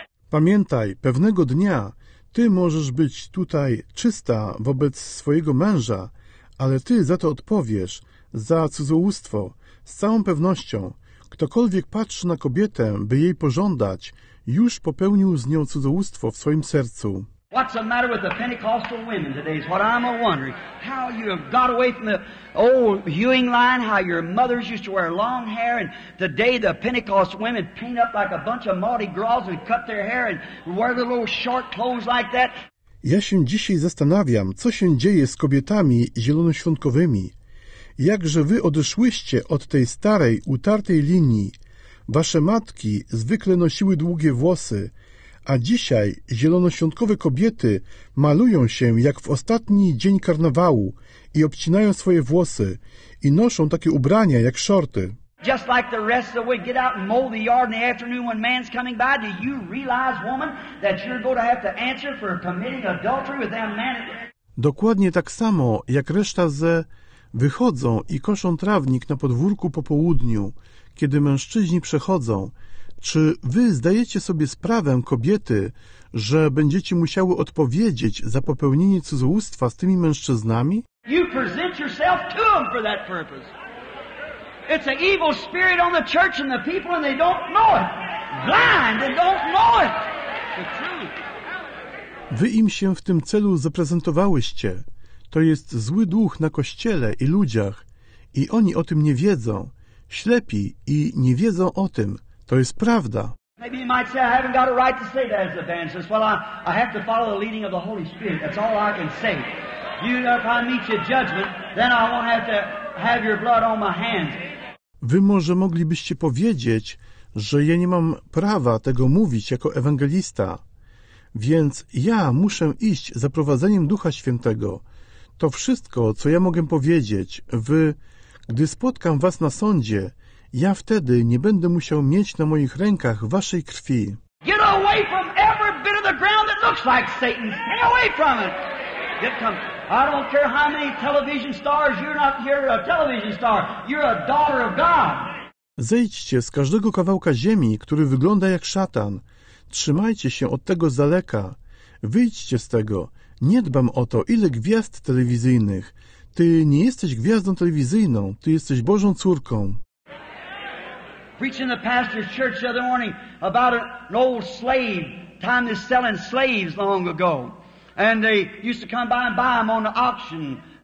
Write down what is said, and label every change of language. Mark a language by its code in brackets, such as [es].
[pl] Pamiętaj, pewnego dnia ty możesz być tutaj czysta wobec swojego męża, ale ty za to odpowiesz, za cudzołóstwo, z całą pewnością. Ktokolwiek patrzy na kobietę, by jej pożądać, już popełnił z nią cudzołóstwo w swoim sercu. [en] What's the matter with the Pentecostal women today is what I'm wondering. How you have got away from the old hewing line, how your mothers used to wear long hair, and today the Pentecost women paint up like a bunch of Mardi Gras and cut their hair and wear little short clothes like that. [pl] Ja się dzisiaj zastanawiam, co się dzieje z kobietami zielonoświątkowymi. Jakże wy odeszłyście od tej starej, utartej linii. Wasze matki zwykle nosiły długie włosy, a dzisiaj zielonoświątkowe kobiety malują się jak w ostatni dzień karnawału i obcinają swoje włosy i noszą takie ubrania jak shorty. [en] Just like the rest of the week, get out and mow the yard in the afternoon when man's coming by. Do you realize, woman, that you're going to have to answer for committing adultery with that man? [pl] Dokładnie tak samo jak reszta ze wychodzą i koszą trawnik na podwórku po południu, kiedy mężczyźni przechodzą. Czy wy zdajecie sobie sprawę, kobiety, że będziecie musiały odpowiedzieć za popełnienie cudzołóstwa z tymi mężczyznami? [en] You present yourself to them for that purpose. It's an evil spirit on the church and the people, and they don't know it. Blind and don't know it. The truth. [pl] Wy im się w tym celu zaprezentowałyście. To jest zły duch na kościele i ludziach, i oni o tym nie wiedzą. Ślepi i nie wiedzą o tym. To jest prawda. [en] Maybe you might say, I haven't got a right to say that as an evangelist. Well, I have to follow the leading of the Holy Spirit. That's all I can say. You know, if I meet your judgment, then I won't have to have your blood on my hands. [pl] Wy może moglibyście powiedzieć, że ja nie mam prawa tego mówić jako ewangelista. Więc ja muszę iść za prowadzeniem Ducha Świętego. To wszystko, co ja mogę powiedzieć, gdy spotkam was na sądzie, ja wtedy nie będę musiał mieć na moich rękach waszej krwi. [en] Get away from every bit of the ground that looks like Satan. Stay away from it. Get come. I don't care how many television stars, you're not here a television star. You're a daughter of God. [pl] Zejdźcie z każdego kawałka ziemi, który wygląda jak szatan. Trzymajcie się od tego z daleka. Wyjdźcie z tego. Nie dbam o to, ile gwiazd telewizyjnych. Ty nie jesteś gwiazdą telewizyjną, ty jesteś Bożą córką. [en] Preaching the pastor's church the other morning about an old slave, time is selling slaves long ago. And they used to come by and buy them on the auction.